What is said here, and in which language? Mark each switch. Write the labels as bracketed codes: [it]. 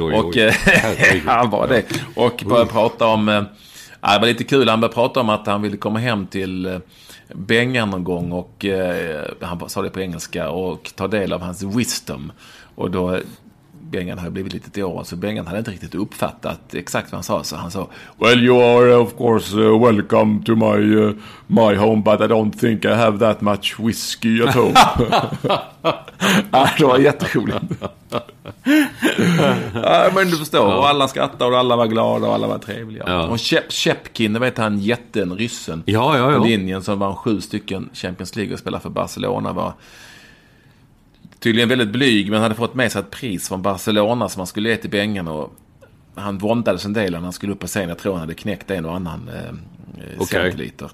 [sv] Och han var det. Och började prata om... det var lite kul. Han började prata om att han ville komma hem till Bengan någon gång. Och han sa det på engelska. Och ta del av hans wisdom. Och då... Bengan hade blivit lite till år, så Bengan hade inte riktigt uppfattat exakt vad han sa, så han sa: [en] "Well, you are of course welcome to my my home, but I don't think I have that much whiskey at home." [sv] Det var jätteroligt. Men du förstår, ja. Och alla skrattade och alla var glada och alla var trevliga. Ja. Och Shepkin, det vet han, jätten, ryssen. Ja. Linjen som var 7 stycken Champions League och spelade för Barcelona, var tydligen väldigt blyg, men hade fått med sig ett pris från Barcelona som han skulle ge till Bengen, och han våndades en del när han skulle upp på scen. Jag tror han hade knäckt en och annan centiliter.